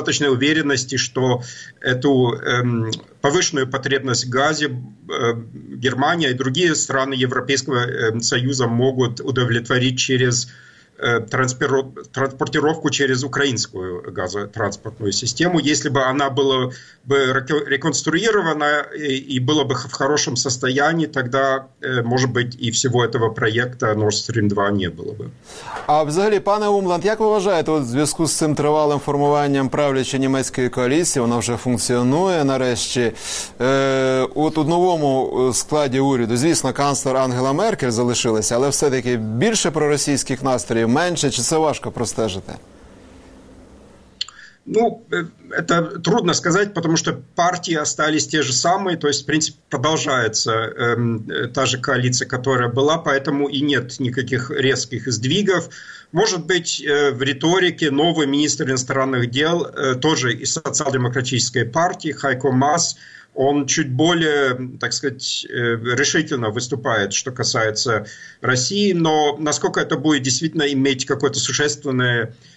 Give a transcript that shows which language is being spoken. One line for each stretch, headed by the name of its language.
Russian: уверенности, что эту повышенную потребность в газе Германия и другие страны Европейского Союза могут удовлетворить через транспортировку через украинскую газотранспортную систему. Если бы она была бы реконструирована и была бы в хорошем состоянии, тогда, может быть, и всего этого проекта Nord Stream 2 не было бы.
Ukrainian: А взагалі, пане Умланд, як ви вважаєте, от в зв'язку з цим тривалим формуванням правлячої німецької коаліції, вона вже функціонує нарешті, от у новому складі уряду, звісно, канцлер Ангела Меркель залишилася, але все-таки більше проросійських настроїв, меньше, чи це важко простежити?
Russian: Ну, это трудно сказать, потому что партии остались те же самые, то есть, в принципе, продолжается та же коалиция, которая была, поэтому и нет никаких резких сдвигов. Может быть, в риторике новый министр иностранных дел, тоже из социал-демократической партии, Хайко Масс, он чуть более, так сказать, решительно выступает, что касается России, но насколько это будет действительно иметь какое-то существенное